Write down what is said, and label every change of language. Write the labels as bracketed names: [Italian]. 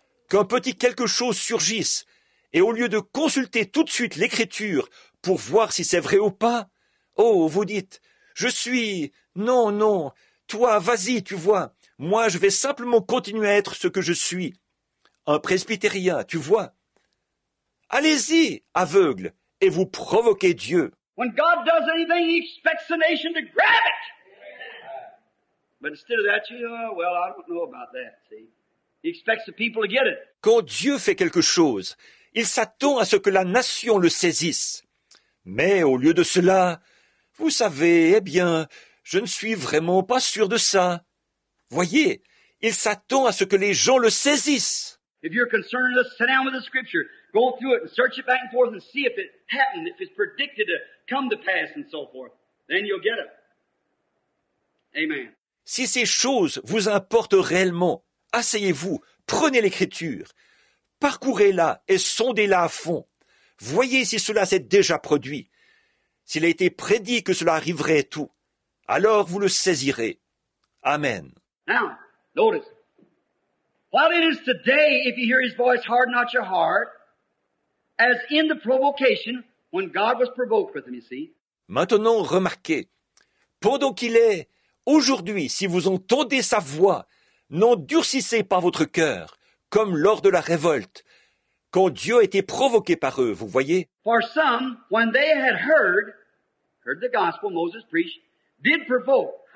[French] Qu'un petit quelque chose surgisse, et au lieu de consulter tout de suite l'écriture pour voir si c'est vrai ou pas, oh, vous dites, je suis, non, non, toi, vas-y, tu vois. Moi, je vais simplement continuer à être ce que je suis, un presbytérien, tu vois. Allez-y, aveugle, et vous provoquez Dieu. [English] When God does anything, he expects the nation to grab it. But instead of that, I don't know about that, see. He expects the people to get it. [French] Quand Dieu fait quelque chose, il s'attend à ce que la nation le saisisse. Mais au lieu de cela, vous savez, eh bien, je ne suis vraiment pas sûr de ça. Voyez, il s'attend à ce que les gens le saisissent. [English] If you're concerned, let's sit down with the scripture, go through it and search it back and forth and see if it happened, if it's predicted to come to pass and so forth. Then you'll get it. Amen. [French] Si ces choses vous importent réellement, asseyez-vous, prenez l'écriture, parcourez-la et sondez-la à fond. Voyez si cela s'est déjà produit. S'il a été prédit que cela arriverait et tout, alors vous le saisirez. Amen. [English] Now, notice, while it is today, if you hear his voice, harden not your heart, as in the provocation, when God was provoked with him, you see. [French] Maintenant, remarquez, pendant qu'il est aujourd'hui, si vous entendez sa voix, n'endurcissez pas votre cœur, comme lors de la révolte, quand Dieu a été provoqué par eux, vous voyez. [English] For some, when they had heard the gospel Moses preached, did provoke.